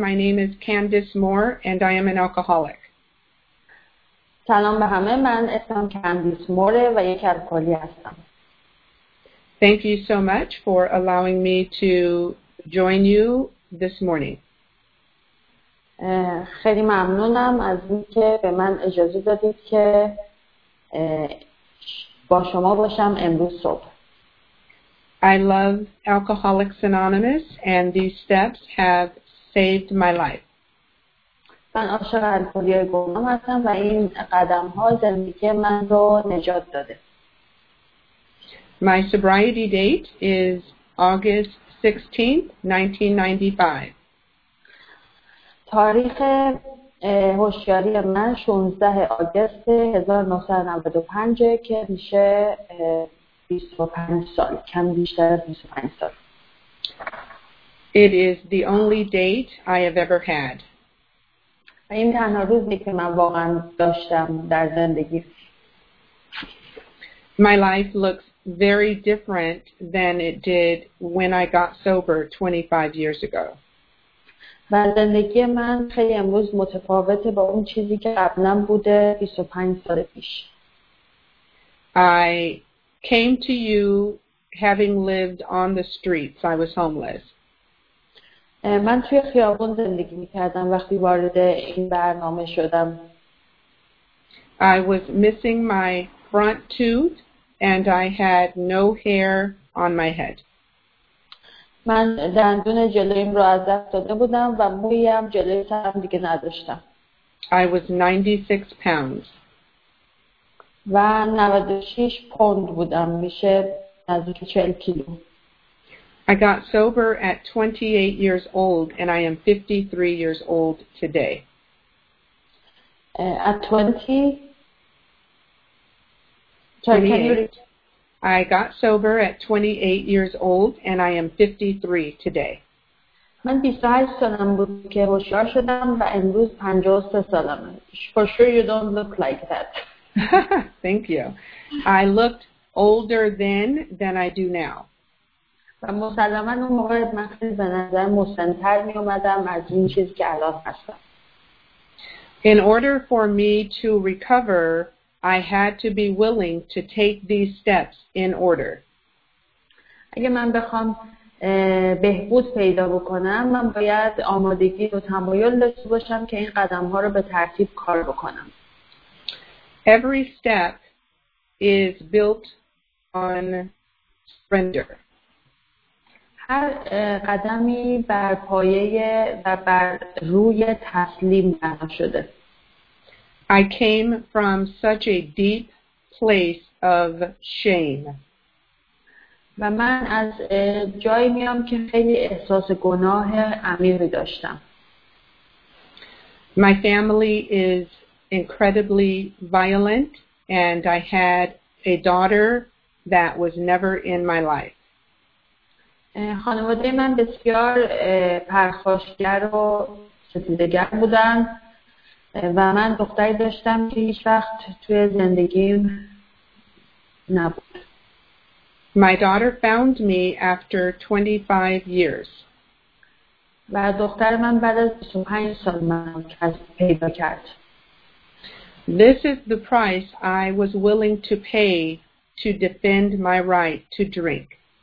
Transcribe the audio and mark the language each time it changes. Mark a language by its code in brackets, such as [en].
[en] My name is Candice Moore, and I am an alcoholic. [fa] سلام به همه من اسمم کندیس موره و یک الکلی هستم. [en] Thank you so much for allowing me to join you this morning. [fa] خیلی ممنونم از اینکه به من اجازه دادید که با شما باشم امروز صبح. [en] I love Alcoholics Anonymous and these steps have saved my life. [fa] من عاشق الکلی گمنام هستم و این قدم ها زندگی من رو نجات داده. [en] My sobriety date is August 16th, 1995. [fa] تاریخ هوشیاری من 16 آگست 1995 که میشه 25 سال، کمی بیشتر 25 سال. [en] It is the only date I have ever had. [fa] این تنها روزی که من واقعا داشتم در زندگی. [en] My life looks very different than it did when I got sober 25 years ago. [fa] و زندگی من خیلی امروز متفاوته با اون چیزی که قبلا بوده 25 سال پیش. [en] I came to you having lived on the streets. I was homeless. [fa] من توی خیابون زندگی می‌کردم وقتی وارد این برنامه شدم. [en] I was missing my front tooth and I had no hair on my head. [fa] من دندون جلویم رو از دست داده بودم و مویی هم جلوی سرم دیگه نداشتم. [en] I was 96 pounds. [fa] و 96 پوند بودم، میشه نزدیک 40 کیلو. [en] I got sober at 28 years old and I am 53 years old today. At 28. I got sober at 28 years old and I am 53 today. [fa] من 28 سالم بود که هوشیار شدم و امروز 53 سالم. [en] For sure you don't look like that. Thank you. I looked older then than I do now. [fa] و مسلماً اون موقع من خیلی به نظر مسن‌تر می اومدم از این چیزی که الان هستم. [en] In order for me to recover, I had to be willing to take these steps in order. [fa] اگه من بخوام بهبود پیدا بکنم، من باید آمادگی و تمایل داشته باشم که این قدم‌ها رو به ترتیب کار بکنم. [en] Every step is built on surrender. [fa] هر قدمی بر پایه و بر روی تسلیم بنا شده. [en] I came from such a deep place of shame. [fa] و من از جایی میام که خیلی احساس گناه عمیقی داشتم. [en] My family is incredibly violent and I had a daughter that was never in my life. [fa] خانواده من بسیار پرخاشگر و ستیزگر بودن و من دختری داشتم که هیچ وقت توی زندگیم نبود. [en] My daughter found me after 25 years. [fa] و دختر من بعد از 25 سال من پیدا کرد. [en] This is the price I was willing to pay to defend my right to drink.